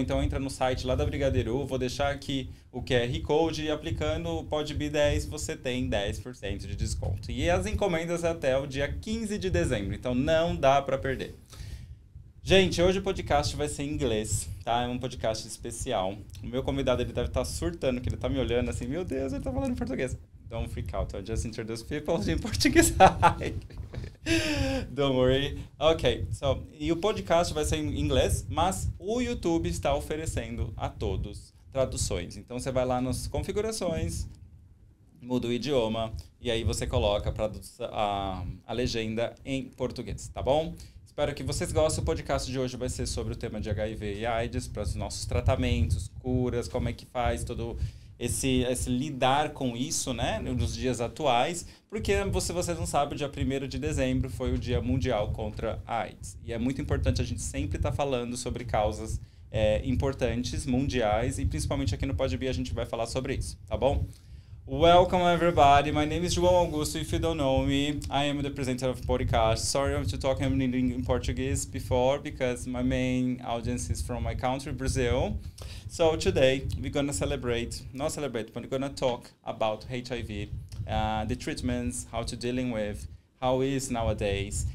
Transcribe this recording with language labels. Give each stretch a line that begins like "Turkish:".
Portuguese: Então entra no site lá da Brigadeiru, vou deixar aqui o QR Code e aplicando o PodhBe10 você tem 10% de desconto. E as encomendas até o dia 15 de dezembro, então não dá pra perder. Gente, hoje o podcast vai ser em inglês, tá? É um podcast especial. O meu convidado, ele deve estar surtando, que ele tá me olhando assim, meu Deus, ele tá falando em português.
English: Don't freak out, I just introduced people in Portuguese. Don't worry. Ok, so,
Portuguese: e o podcast vai ser em inglês, mas o YouTube está oferecendo a todos traduções. Então você vai lá nas configurações, muda o idioma e aí você coloca a legenda em português, tá bom? Espero que vocês gostem. O podcast de hoje vai ser sobre o tema de HIV e AIDS, para os nossos tratamentos, curas, como é que faz todo esse lidar com isso, né, nos dias atuais, porque vocês não sabem, dia 1º de dezembro foi o Dia Mundial contra a AIDS. E é muito importante a gente sempre estar falando sobre causas importantes, mundiais, e principalmente aqui no PodhBe a gente vai falar sobre isso, tá bom?
English: Welcome everybody, my name is João Augusto, if you don't know me, I am the presenter of podcast. Sorry to talk in Portuguese before, because my main audience is from my country, Brazil. So today, we're going to but we're going to talk about HIV, the treatments, how to dealing with, how it is nowadays.